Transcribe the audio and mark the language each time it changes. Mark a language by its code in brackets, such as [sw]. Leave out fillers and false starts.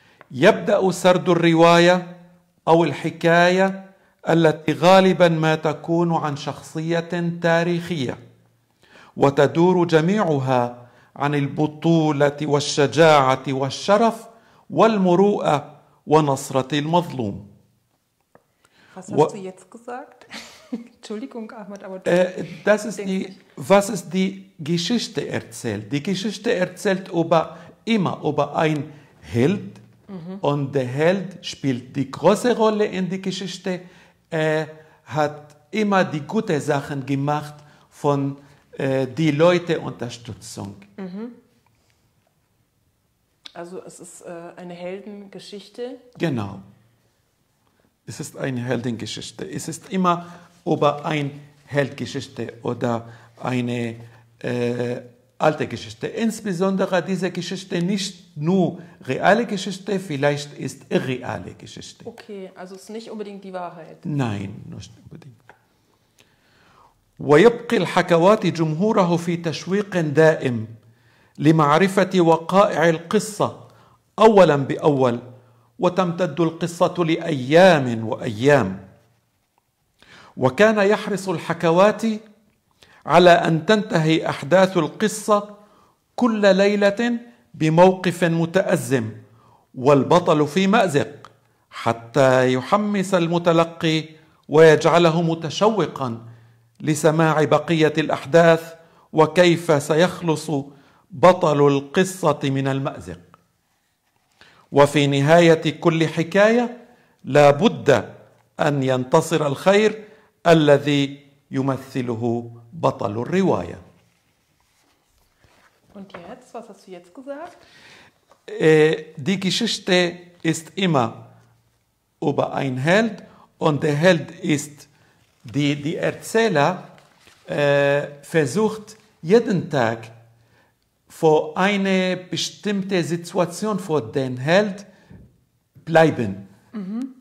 [ar] يبدأ سرد الرواية أو الحكاية التي غالبا ما تكون عن شخصية تاريخية وتدور جميعها عن البطولة والشجاعة والشرف والمروءة ونصرة المظلوم. [de] Was hast du jetzt gesagt? Entschuldigung, Ahmad, aber das ist die, was ist die Geschichte erzählt? Die Geschichte erzählt über ein Held, mm-hmm. und der Held spielt die große Rolle in der Geschichte. Er hat immer die guten Sachen gemacht von die Leute Unterstützung. Mhm. Also es ist eine Heldengeschichte. Genau. Es ist eine Heldengeschichte. Es ist immer über eine Heldengeschichte oder eine alte Geschichte. Insbesondere diese Geschichte nicht nur reale Geschichte, vielleicht ist irreale Geschichte. Okay, also ist nicht unbedingt die Wahrheit. Nein, nicht unbedingt. [ar] ويبقى الحكوات جمهوره في تشويق دائم لمعرفة وقائع القصة أولا بأول وتمتد القصة لأيام وأيام وكان يحرص الحكوات على أن تنتهي أحداث القصة كل ليلة بموقف متأزم والبطل في مأزق حتى يحمس المتلقي ويجعله متشوقا لسماع بقية الأحداث وكيف سيخلص بطل القصة من المأزق وفي نهاية كل حكاية لا بد أن ينتصر الخير الذي يمثله بطل الرواية. [de] Und jetzt, was hast du jetzt gesagt? Die Geschichte ist immer über einen Held und der Held ist, die Erzähler versucht jeden Tag vor eine bestimmte Situation vor den Held bleiben. Mhm.